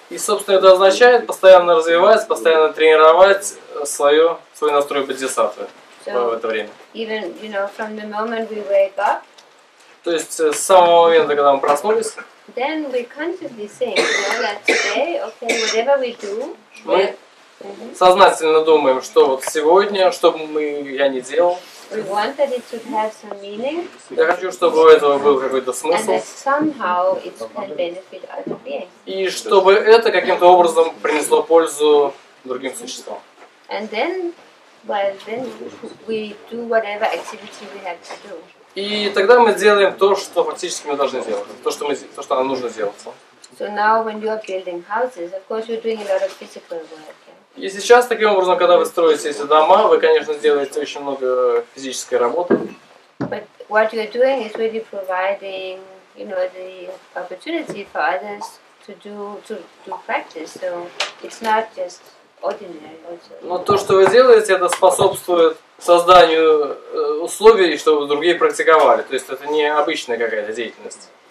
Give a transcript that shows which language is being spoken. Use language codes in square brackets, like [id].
[ru] И, собственно, это означает постоянно развивать, постоянно тренировать свое, свой настрой бодхисаттвы в это время. [en] Even, you know, from the moment we wake up, [ru] то есть с самого момента, когда мы проснулись, [en] then we consciously think, you know, that today, okay, whatever we do, [ru] мы сознательно думаем, что вот сегодня, что бы мы, я не делал, [en] we want that it should have some meaning. [ru] Я хочу, чтобы у этого был какой-то смысл. [en] And that somehow it can benefit other beings. [ru] И чтобы это каким-то образом принесло пользу другим существам. [en] And then, well, then we do whatever activity we have to do. [ru] И тогда мы делаем то, что фактически мы должны делать, то, что мы, то, что нам нужно сделать. [en] So now when you are building houses, of course you're doing a lot of physical work. [ru] И сейчас таким образом, когда вы строите эти дома, вы, конечно, делаете очень много физической работы. [en] But what you're doing is really providing, you know, the opportunity for others to do to practice. So it's not just ordinary. [ru] Но то, что вы делаете, это способствует созданию условий, чтобы другие практиковали. То есть это не обычная какая-то деятельность.